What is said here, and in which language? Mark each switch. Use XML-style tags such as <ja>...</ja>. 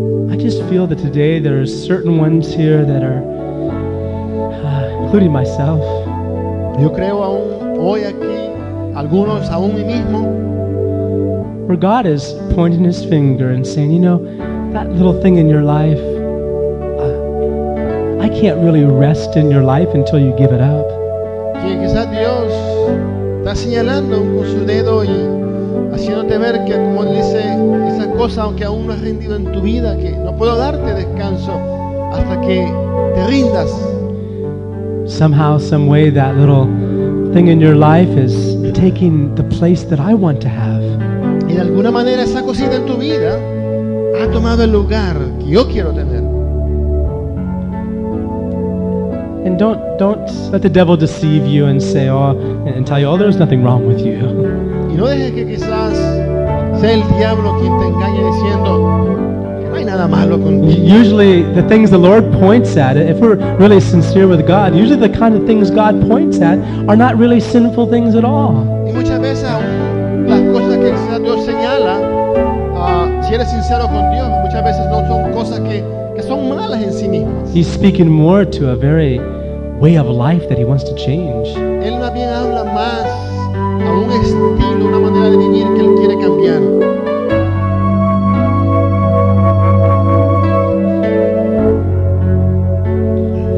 <en>I just feel that today there are certain ones here that are, including myself.</en> <es>Yo creo aún hoy aquí algunos aún mí mismo,</es> <en>where God is pointing His finger and saying, you know, that little thing in your life, I can't really rest in your life until you give it up.</en> <es>Que quizás Dios está señalando con su dedo y haciéndote ver que como Él dice, esa cosa aunque aún no has rendido en tu vida, que no puedo darte descanso hasta que te rindas.</es> <en>Somehow, some way, that little thing in your life is taking the place that I want to have.</en> <es>Y de alguna manera esa cosita en tu vida ha tomado el lugar que yo quiero tener.</es> <en>And don't let the devil deceive you and say, oh, and tell you, oh, there's nothing wrong with you.</en> <es>Y no dejes que quizás sea el diablo quien te engañe diciendo que no hay nada malo contigo.</es> <en>Usually the things the Lord points at, if we're really sincere with God, usually the kind of things God points at are not really sinful things at all.</en> <es>Y muchas veces las cosas que Dios señala, si eres sincero con Dios, muchas veces no son cosas que son malas en sí mismas.</es> <en>He's speaking more to a very way of life that He wants to change.</en> <es>Él más bien habla más a un estilo, una manera de vivir que Él quiere cambiar.</es>